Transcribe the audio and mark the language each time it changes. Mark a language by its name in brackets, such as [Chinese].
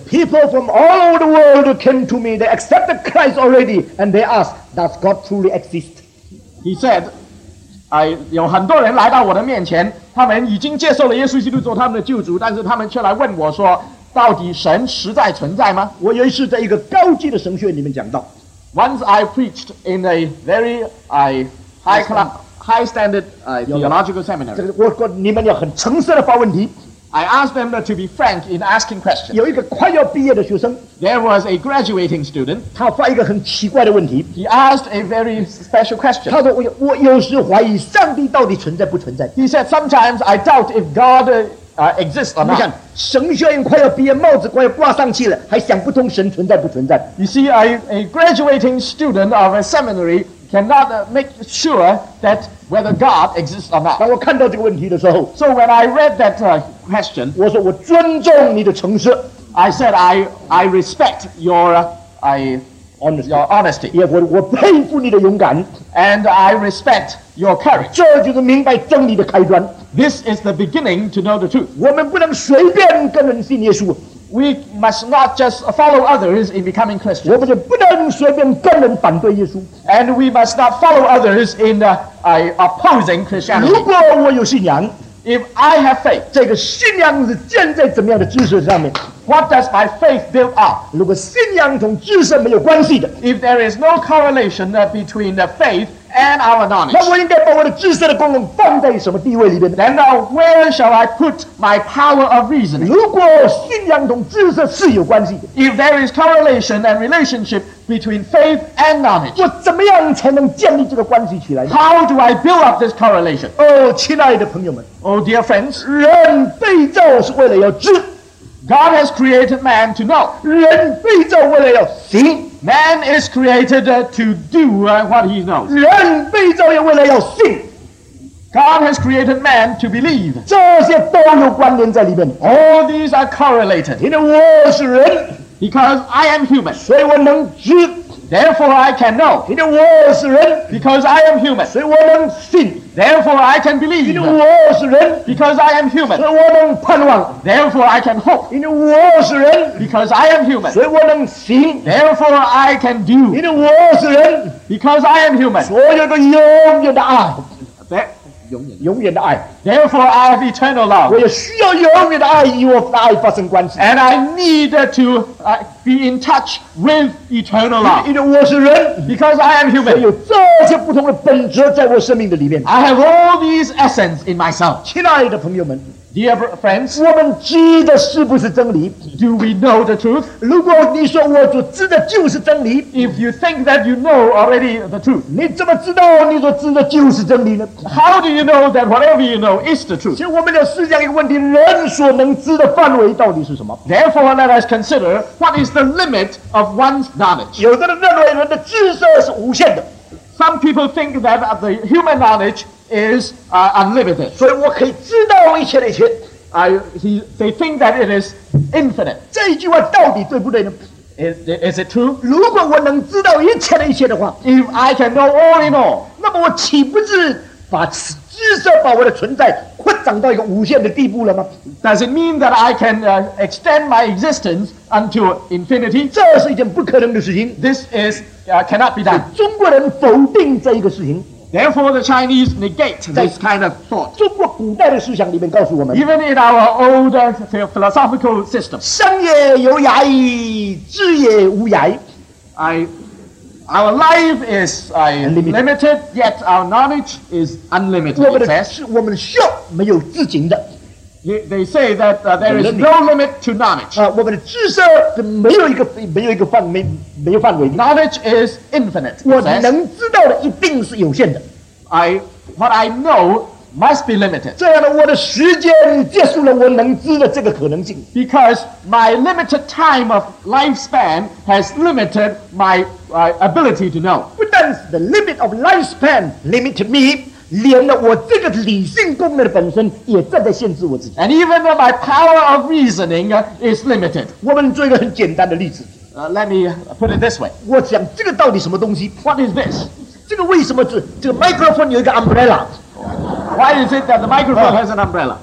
[English] people from all over the world came to me. They accepted Christ already, and they asked, "Does God truly exist?" [Chinese] He said, 有很多人来到我的面前，他们已经接受了耶稣基督做他们的救主，但是他们却来问我说，到底神实在存在吗？我有一次在一个高级的神学里面讲道。 [English] Once I preached in a very high standard theological seminary. [Chinese] 你们要很诚实的发问题。 [English] I asked them to be frank in asking questions. [Chinese] 有一个快要毕业的学生。 [English] There was a graduating student. [Chinese] 他发一个很奇怪的问题。 [English] He asked a very special question. [Chinese] 他说我有时怀疑上帝到底存在不存在。 [English] He said, sometimes I doubt if God exists or not. [Chinese] 你看神学院快要毕业，帽子快要挂上去了，还想不通神存在不存在。 [English] You see, a graduating student of a seminary cannot make sure that whether God exists or not. [Chinese] 当我看到这个问题的时候 [English] ，So when I read that question, [Chinese] 我说我尊重你的诚实。 [English] I said I respect your honesty. [Chinese] Yeah, 我佩服你的勇敢。 [English] And I respect your courage. [Chinese] 这就是明白真理的开端。 [English] This is the beginning to know the truth. [Chinese] 我们不能随便跟人信耶稣。 [English] We must not just follow others in becoming Christians. [Chinese] 我们就不能随便跟人反对耶稣。 [English] And we must not follow others in opposing Christianity. [Chinese] 如果我有信仰 [English] ，If I have faith， [Chinese] 这个信仰是建在怎么样的知识上面 [English] ？What does my faith build up？ [Chinese] 如果信仰同知识没有关系的 [English] ，If there is no correlation between the faith and our knowledge， [Chinese] 那我应该把我的知识的功能放在什么地位里面 [English] ？Then where shall I put my power of reasoning？ [Chinese] 如果信仰同知识是有关系的 [English] ，If there is correlation and relationship between faith and knowledge， [Chinese] 我怎么样才能建立这个关系起来 [English] ？How do I build up this correlation？ [Chinese] 哦，亲爱的朋友们 [English] ，Oh dear friends， [Chinese] 人被造是为了要知 [English] ，God has created man to know， [Chinese] 人被造为了要行。 [English] Man is created to do what he knows. [Chinese] 人被造也为了要信。 [English] God has created man to believe. [Chinese] 这些都有关联在里面。 [English] All these are correlated. [Chinese] 因为我是人。 [English] Because I am human. [Chinese] 所以我能知。 [English] Therefore I can know. [Chinese] 因为我是人。 [English] Because I am human. [Chinese] 所以我能信。 [English] Therefore I can believe. [Chinese] 因为我是人。 [English] Because I am human. [Chinese] 所以我能盼望。 [English] Therefore I can hope. [Chinese] 因为我是人。 [English] Because I am human. [Chinese] 所以我能行。 [English] Therefore I can do. [Chinese] 因为我是人。 [English] Because I am human. [Chinese] 所有的永远的爱。永远的爱 [English] Therefore I have eternal love. [Chinese] 我也需要永远的爱与我的爱发生关系 [English] And I need to be in touch with eternal love. [Chinese] 因为我是人 [English] Because I am human. [Chinese] 所以有这些不同的本质在我生命的里面 [English] I have all these essence in myself. [Chinese] 亲爱的朋友们 [English] Dear friends, [Chinese] 我们知的是不是真理 [English] Do we know the truth? [Chinese] 如果你说我所知的就是真理 [English] If you think that you know already the truth, [Chinese] 你怎么知道你所知的就是真理呢 [English] How do you know that whatever you know is the truth? [Chinese] 其实我们要思想一个问题，人所能知的范围到底是什么 [English] Therefore, let us consider what is the limit of one's knowledge. [Chinese] 有的人认为人的知识是无限的。 [English] Some people think that the human knowledge is unlimited. [Chinese] 所以我可以知道一切的一切。 [English] They think that it is infinite. [Chinese] 这一句话到底对不对呢？ [English] Is it true? [Chinese] 如果我能知道一切的一切的话 [English] ，If I can know all in all， [Chinese] 那么我岂不是把知识把我的存在扩展到一个无限的地步了吗 [English] ？Does it mean that I can extend my existence until infinity？ [Chinese] 这是一件不可能的事情。 [English] This is cannot be done。 [Chinese] 中国人否定这一个事情。 [English] Therefore, the Chinese negate this kind of thought. [Chinese] 中国古代的思想里面告诉我们 [English] ，Even in our old philosophical system， [Chinese] 生也有涯矣，知也无涯矣。 [English] Our life is limited, yet our knowledge is unlimited. [Chinese] 我们的寿没有止境的。 [English] They say that there is no limit to knowledge. [Chinese] 我们的知识没有一个范围，没有范围。 [English] Knowledge is infinite. [Chinese] 我能知道的一定是有限的。 [English] What I know must be limited. [Chinese] 这样的我的时间结束了我能知的这个可能性。 [English] Because my limited time of lifespan has limited my ability to know. [Chinese] 不但是 [English] the limit of lifespan limited me, [Chinese] 连了我这个理性功能的本身也正在限制我自己。 [English] And even though my power of reasoning is limited. [Chinese] 我们做一个很简单的例子。 [English] Let me put it this way. [Chinese] 我想这个到底什么东西 [English] ?What is this? [Chinese] 这个为什么是这个 microphone 有一个 umbrella? [English] Why is it that the microphone has an umbrella?